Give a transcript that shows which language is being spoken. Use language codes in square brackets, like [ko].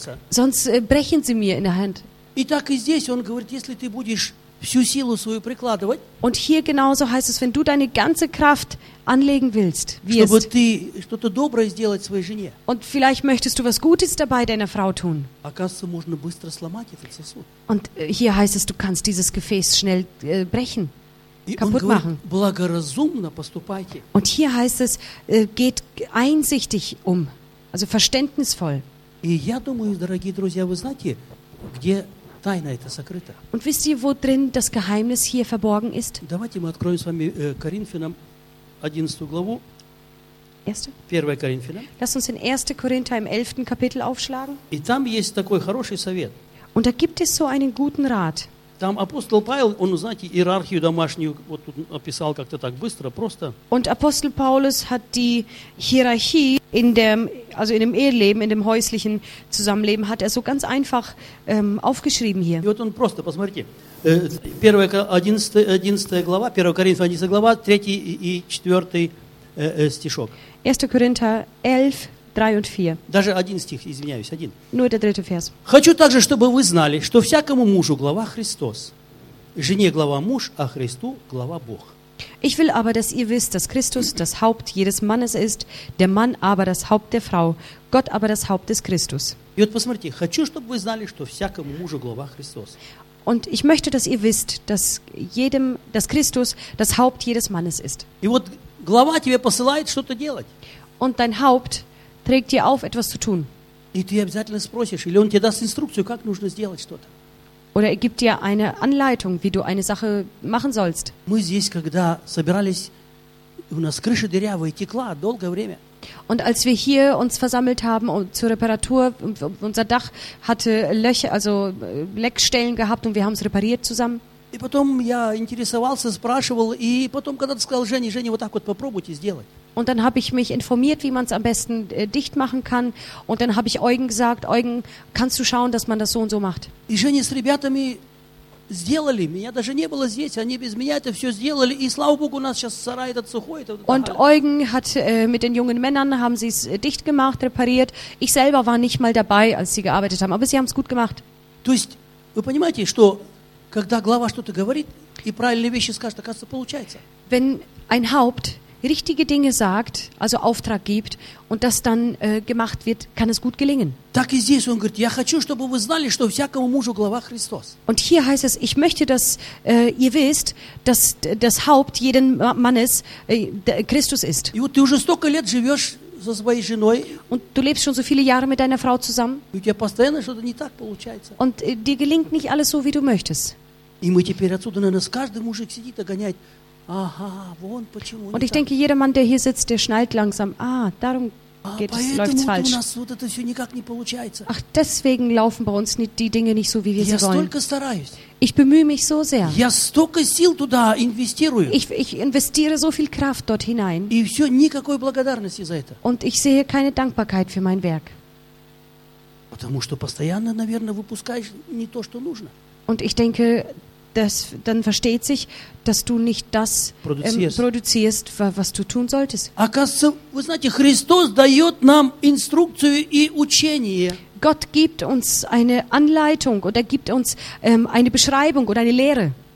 [de] Sonst brechen sie mir in der Hand. [ru] И так и здесь он говорит, если ты будешь всю силу свою прикладывать. [de] Und hier genauso heißt es, wenn du deine ganze Kraft anlegen willst. [ru] Чтобы ты что-то доброе сделать своей жене. [de] Und vielleicht möchtest du was Gutes dabei deiner Frau tun. [ru] Оказывается, можно быстро сломать этот сосуд. [de] Und hier heißt es, du kannst dieses Gefäß schnell brechen, kaputt machen. [ru] Благоразумно поступайте. [de] Und hier heißt es, geht einsichtig um, also verständnisvoll. [ru] И я думаю, дорогие друзья, вы знаете, где тайна эта сокрыта? [de] Und wisst ihr, wo drin das Geheimnis hier verborgen ist? [ru] Давайте мы откроем с вами Коринфянам 11 главу. 1 Коринфянам. [de] Lass uns in 1. Korinther im 11. Kapitel aufschlagen. [ru] И там есть такой хороший совет. [de] Und da gibt es so einen guten Rat. [ru] Там апостол Павел, он, знаете, иерархию домашнюю вот тут описал как-то так быстро, просто. [de] Und Apostel Paulus hat die Hierarchie in dem, also in dem Eheleben, in dem häuslichen Zusammenleben, hat er so ganz einfach aufgeschrieben hier. [ru] И вот он просто, посмотрите, 1 Коринфян 11 глава, 3 и 4 стишок. [de] 1. Korinther 11, 3 und 4. [ru] Даже один стих, извиняюсь, один. [de] Nur der dritte Vers. [ru] Хочу также, чтобы вы знали, что всякому мужу глава Христос, жене глава муж, а Христу глава Бог. [de] Ich will aber, dass ihr wisst, dass Christus das Haupt jedes Mannes ist, der Mann aber das Haupt der Frau, Gott aber das Haupt des Christus. [ru] И вот посмотрите, хочу, чтобы вы знали, что всякому мужу глава Христос. [de] Und ich möchte, dass ihr wisst, dass jedem, dass Christus das Haupt jedes Mannes ist. [ru] И вот глава тебе посылает что-то делать. [de] Und dein Haupt trägt dir auf, etwas zu tun. [ru] И ты обязательно спросишь, или он тебе даст инструкцию, как нужно сделать что-то. [de] Oder er gibt dir eine Anleitung, wie du eine Sache machen sollst. [ru] Мы здесь, когда собирались, у нас крыша дырявая, текла долгое время. [de] Und als wir hier uns versammelt haben und zur Reparatur, unser Dach hatte Löcher, also Leckstellen gehabt und wir haben es repariert zusammen. [ru] И потом я интересовался, спрашивал, и потом когда-то сказал Жене, Жене, вот так вот попробуйте сделать. [de] Und dann habe ich mich informiert, wie man es am besten dicht machen kann. Und dann habe ich Eugen gesagt, Eugen, kannst du schauen, dass man das so und so macht? [ru] И Жене с ребятами сделали. Меня даже не было здесь. Они без меня это все сделали. И слава Богу, у нас сейчас сарай этот сухой. Этот... [de] Und Eugen hat mit den jungen Männern, haben sie es dicht gemacht, repariert. Ich selber war nicht mal dabei, als sie gearbeitet haben. Aber sie haben es gut gemacht. [ru] То есть, вы понимаете, что когда глава что-то говорит и правильные вещи скажет, оказывается, получается. [de] Wenn ein Haupt richtige Dinge sagt, also Auftrag gibt und das dann gemacht wird, kann es gut gelingen. [ru] Так и здесь он говорит, я хочу, чтобы вы знали, что всякому мужу глава Христос. [de] Und hier heißt es, ich möchte, dass ihr wisst, dass das Haupt jeden Mannes Christus ist. [ru] И вот ты уже столько лет живешь со своей женой. [de] Und du lebst schon so viele Jahre mit deiner Frau zusammen. [ru] И у тебя постоянно что-то не так получается. [de] Und dir gelingt nicht alles so, wie du möchtest. [ru] И мы теперь отсюда, наверное, с каждым мужик сидит и гоняет. Aha, вон почему. [de] Und ich denke, jeder Mann, der hier sitzt, der schnallt langsam. Ah, darum läuft es falsch. [ru] Вот это все никак не получается. [de] Ach, deswegen laufen bei uns die Dinge nicht so, wie wir sie wollen. [ru] Я столько стараюсь. [de] Ich bemühe mich so sehr. [ru] Я столько сил туда инвестирую. [de] Ich investiere so viel Kraft dort hinein. [ru] И все, никакой благодарности за это. [de] Und ich sehe keine Dankbarkeit für mein Werk. [ru] Потому что постоянно, наверное, выпускаешь не то, что нужно. [de] Und ich denke, das, dann versteht sich, dass du nicht das produzierst, was du tun solltest. [ru] Оказывается, вы знаете, Христос дает нам инструкцию и учение. [de] Gott gibt uns eine Anleitung oder gibt uns eine Beschreibung oder eine Lehre.